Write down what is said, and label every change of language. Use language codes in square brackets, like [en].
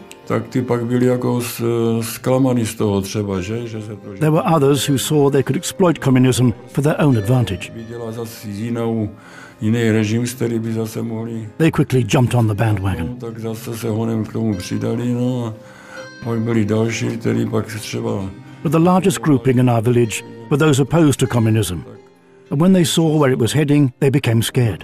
[cs] tak ty pak byli jako zklamaní z toho třeba, že? [en] There were others who saw they could exploit communism for their own advantage. [cs] Viděla zase jiný režim, který by zase mohli... [en] They quickly jumped on the bandwagon. [cs] No, tak zase se honem k tomu přidali, no a pak byli další, který pak třeba... [en] But the largest grouping in our village were those opposed to communism. And when they saw where it was heading, they became scared.